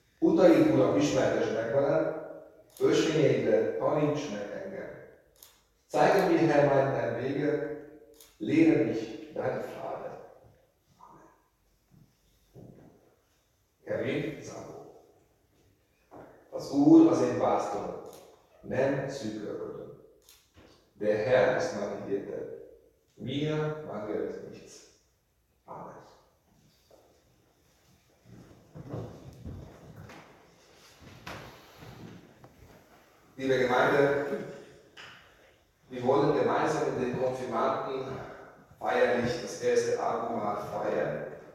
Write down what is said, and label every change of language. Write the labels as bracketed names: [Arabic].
[Hungarian] Utaid uram ismertes meg velem, ösvényeidre tanints meg engem. [German] Zeige mir, Herr, meinen Wege, lehre mich deine Pfade. Amen. Kevin Sandu. [Hungarian] Az Úr az én pásztorom, nem szűkölködöm. [German] De Herr ist meine Hirte, mir mangelt nichts. Amen. Liebe Gemeinde, wir wollen gemeinsam mit den Konfirmanden feierlich das erste Abendmahl feiern.